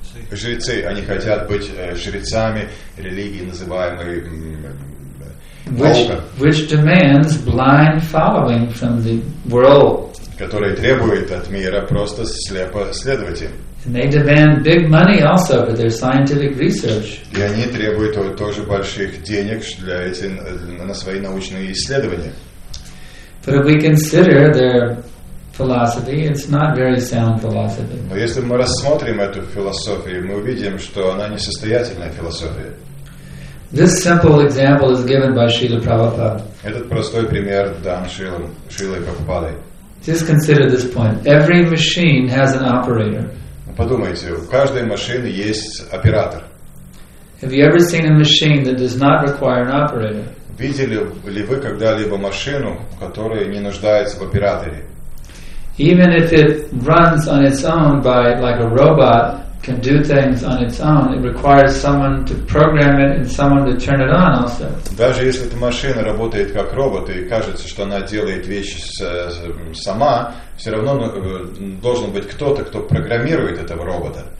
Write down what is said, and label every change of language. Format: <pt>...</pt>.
<ru>Жрецы, они хотят быть жрецами религии, называемой наука.</ru> <en>Which demands blind following from the world.</en> <ru>Которые требуют от мира просто слепо следовать им.</ru> <en>And they demand big money also for their scientific research.</en> <ru>И они требуют тоже больших денег для на свои научные исследования.</ru> <en>But if we consider their philosophy, it's not very sound philosophy.</en> <ru>Но если мы рассмотрим эту философию, мы увидим, что она несостоятельная философия.</ru> <en>This simple example is given by Srila Prabhupada.</en> <ru>Этот простой пример дан Шрилой Прабхупадой.</ru> <en>Just consider this point. Every machine has an operator.</en> <ru>Подумайте, у каждой машины есть оператор.</ru> <en>Have you ever seen a machine that does not require an operator?</en> <ru>Видели ли вы когда-либо машину, которая не нуждается в операторе?</ru> <en>Even if it runs on its own by like a robot can do things on its own, it requires someone to program it and someone to turn it on also.</en> <ru>Даже если эта машина работает как робот и кажется, что она делает вещи сама, все равно должен быть кто-то, кто программирует этого робота.</ru>